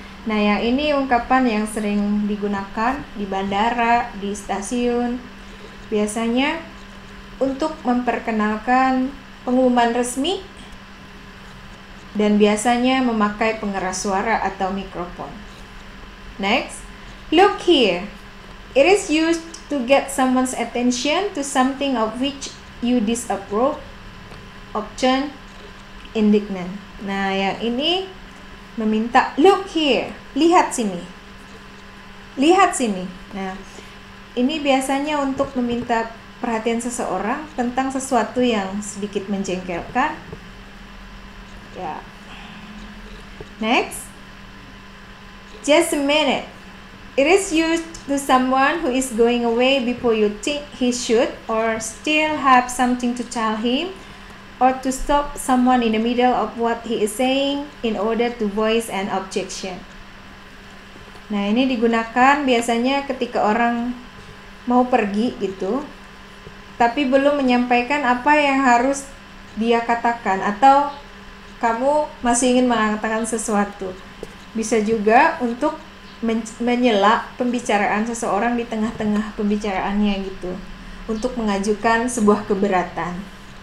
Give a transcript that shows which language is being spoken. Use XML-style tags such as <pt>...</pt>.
<id>Nah, yang ini ungkapan yang sering digunakan di bandara, di stasiun. Biasanya untuk memperkenalkan pengumuman resmi dan biasanya memakai pengeras suara atau mikrofon.</id> <en>Next, look here. It is used to get someone's attention to something of which you disapprove. Option, indignant.</en> <id>Nah, yang ini meminta, look here, lihat sini. Lihat sini. Nah, ini biasanya untuk meminta perhatian seseorang tentang sesuatu yang sedikit menjengkelkan.</id> <en>Ya. Next. Just a minute. It is used to someone who is going away before you think he should or still have something to tell him or to stop someone in the middle of what he is saying in order to voice an objection.</en> <id>Nah, ini digunakan biasanya ketika orang mau pergi gitu, tapi belum menyampaikan apa yang harus dia katakan atau kamu masih ingin mengatakan sesuatu. Bisa juga untuk menyela pembicaraan seseorang di tengah-tengah pembicaraannya gitu, untuk mengajukan sebuah keberatan.</id>